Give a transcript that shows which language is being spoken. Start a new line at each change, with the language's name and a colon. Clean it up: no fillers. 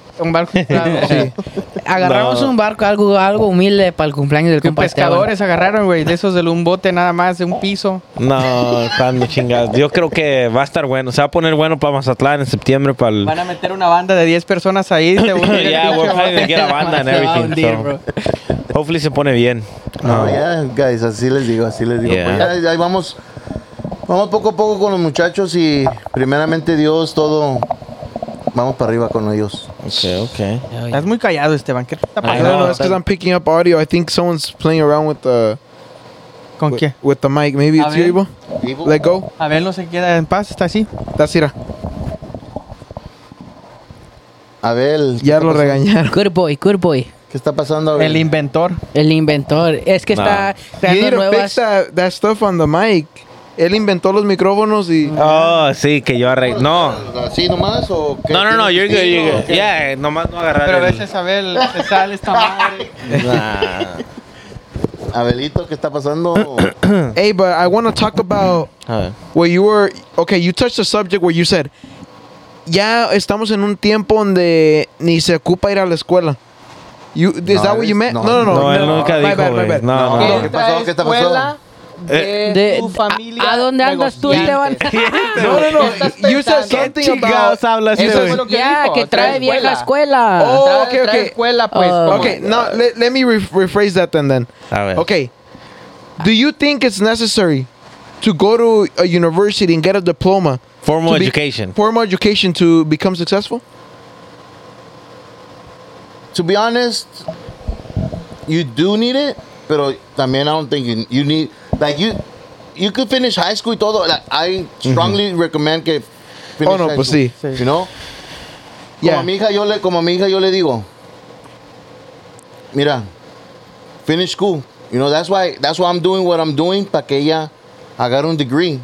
Spanish: Un barco inflable. Sí. Agarramos un barco, algo humilde para el cumpleaños del compañero. Pescadores agarraron, güey, de esos de un bote nada más, de un piso. No, están de chingados. Yo creo que va a estar bueno. Se va a poner bueno para Mazatlán en septiembre. Van a meter una banda de 10 personas ahí.
English: Ya, yeah, we're trying to get a banda and everything.
Spanish: Hopefully se pone bien. Guys, así les digo. Yeah. Pues ya, ahí vamos poco a poco con los muchachos y primeramente Dios, todo... Vamos para arriba con ellos.
English: Okay.
Spanish: Estás muy callado, Esteban. ¿Qué está pasando? No, es que
English: I'm picking up audio. I think someone's playing around with the...
Spanish: ¿Con qué?
English: With the mic. Maybe it's you, Ivo. Let go.
Spanish: A ver, no se queda en paz. Está así.
English: That's it. Abel.
Spanish: Ya lo regañaron.
English: Good boy.
Spanish: ¿Qué ¿Qué está pasando? El inventor. El inventor. Es que está creando nuevas...
English: He didn't fix that stuff on the mic.
Spanish: Él inventó los micrófonos y... Oh, sí, que yo arreglé. No. ¿Así nomás o
English: qué? No, you're good. Okay. Yeah,
Spanish: nomás no agarrar. Pero a veces Abel se sale esta madre.
English: Nah.
Spanish: Abelito, ¿qué está pasando?
English: Hey, but I want to talk about... where you were... Okay, you touched the subject where you said...
Spanish: Ya estamos en un tiempo donde ni se ocupa ir a la escuela.
English: You, is no, that what you meant? No.
Spanish: No, él nunca dijo, güey. No. ¿Qué pasó? ¿Qué está pasando? De tu familia. ¿A dónde andas tú, Esteban? No.
English: You said something about...
Spanish: ¿Qué chingados hablas, Esteban? Ya, que trae vieja escuela. Oh, okay. Trae escuela, pues.
English: Let me rephrase that then.
Spanish: A ver.
English: Okay. Do you think it's necessary to go to a university and get a diploma? Formal education to become successful? To be honest, you do need it,
Spanish: pero también
English: I don't think you need... Like, you could finish high school
Spanish: y todo.
English: Like, I strongly recommend que finish high school. Oh, no,
Spanish: pues sí.
English: You know? Yeah.
Spanish: Como a mi hija yo le digo, mira,
English: finish school. You know, that's why I'm doing what I'm doing,
Spanish: para que ella agarre un
English: degree.